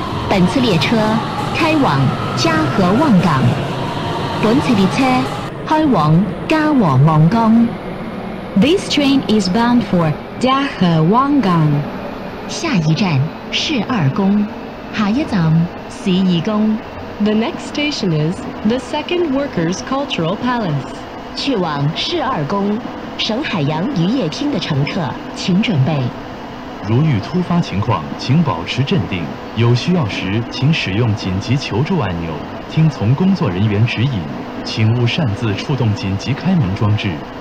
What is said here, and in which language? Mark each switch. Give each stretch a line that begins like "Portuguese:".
Chinese: 本次列车开往嘉禾望岗，本次列车。开往嘉禾望岗。
English: This train is bound for 嘉禾望岗。
Chinese: 下一站是二宫，下一站是二宫。
English: The next station is the Second Workers Cultural Palace。
Chinese: 去往是二宫，省海洋渔业厅的乘客，请准备。如遇突发情况，请保持镇定。有需要时，请使用紧急求助按钮，听从工作人员指引。请勿擅自触动紧急开门装置。